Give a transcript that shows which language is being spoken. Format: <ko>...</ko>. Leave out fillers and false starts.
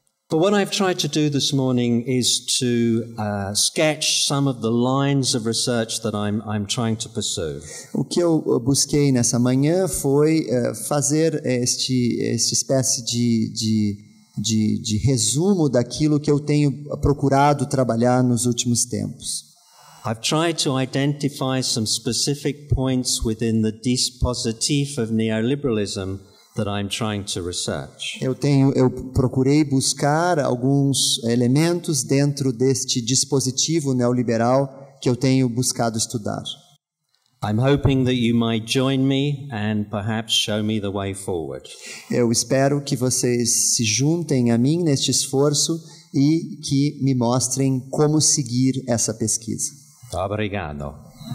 <en>But what I've tried to do this morning is to sketch some of the lines of research that I'm trying to pursue.</en> <pt>O que eu busquei nessa manhã foi fazer esta espécie de resumo daquilo que eu tenho procurado trabalhar nos últimos tempos.</pt> <en>I've tried to identify some specific points within the dispositif of neoliberalism that I'm trying to research.</en> <pt>Eu procurei buscar alguns elementos dentro deste dispositivo neoliberal que eu tenho buscado estudar.</pt> <en>I'm hoping that you might join me and perhaps show me the way forward.</en> <pt>Eu espero que vocês se juntem a mim neste esforço e que me mostrem como seguir essa pesquisa. Obrigado.</pt>